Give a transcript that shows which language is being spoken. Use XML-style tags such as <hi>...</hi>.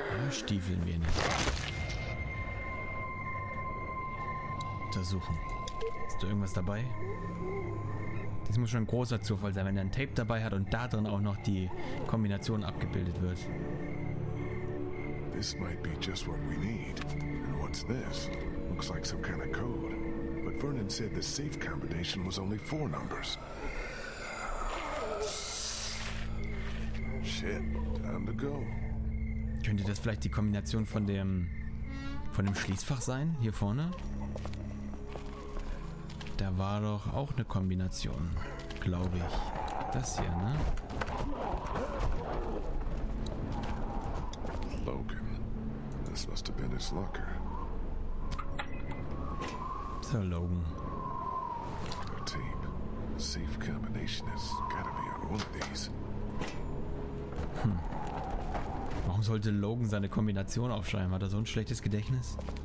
<de>Stiefeln wir nicht. Untersuchen. Ist da irgendwas dabei? Das muss schon ein großer Zufall sein, wenn er ein Tape dabei hat und da drin auch noch die Kombination abgebildet wird.</de> <en>This might be just what we need. And what's this? Looks like some kind of code. But Vernon said the safe combination was only 4 numbers. Shit, time to go.</en> <de>Könnte das vielleicht die Kombination von dem Schließfach sein, hier vorne? Da war doch auch eine Kombination, glaube ich. Das hier, ne? Logan.</de> <en>This must have been his locker. So, Logan. The tape. Safe combination has gotta be on one of these.</en> <de>Warum sollte Logan seine Kombination aufschreiben? Hat er so ein schlechtes Gedächtnis?</de>